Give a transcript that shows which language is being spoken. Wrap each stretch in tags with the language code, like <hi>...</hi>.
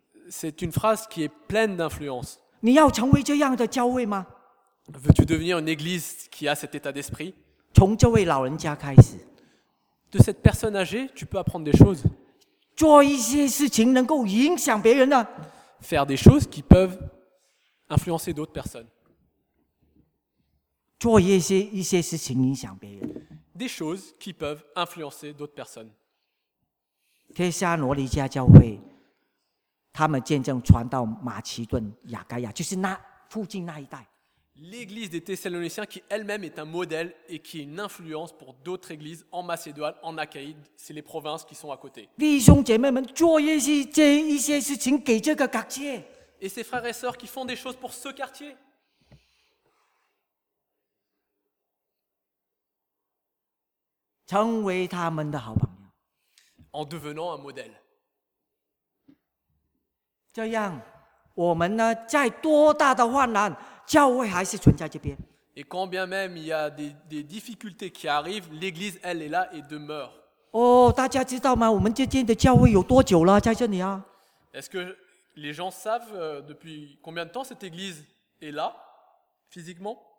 <fr>C'est une phrase qui est pleine d'influence.</fr> <zh>你要成为这样的教会吗?</zh> <fr>Veux-tu devenir une église qui a cet état d'esprit?</fr> <zh>从这位老人家开始,</zh> <fr>de cette personne âgée, tu peux apprendre des choses.</fr> <zh>做一些事情能够影响别人的,</zh> <fr>faire des choses qui peuvent influencer d'autres personnes.</fr> <zh>做一些事情影响别人,</zh> <fr>des choses qui peuvent influencer d'autres personnes.</fr> <zh>天下罗尼迦教会，他们见证传到马其顿、雅盖亚，就是那附近那一带。</zh> <fr>L'église des Thessaloniciens qui elle-même est un modèle et qui est une influence pour d'autres églises en Macédoine, en Achaïe, c'est les provinces qui sont à côté.</fr> <zh>弟兄姐妹们，做一些事情给这个quartier.</zh> <fr>Et ces frères et sœurs qui font des choses pour ce quartier.</fr> <zh>成为他们的好朋友.</zh> <fr>En devenant un modèle.</fr> <zh>这样，我们呢，在多大的患难，教会还是存在这边。</zh> <fr>Et quand bien même il y a des difficultés qui arrivent, l'Église elle est là et demeure.</fr> <zh>哦，大家知道吗？我们这间的教会有多久了，在这里啊？</zh> <fr>Est-ce que les gens savent depuis combien de temps cette Église est là, physiquement?</fr>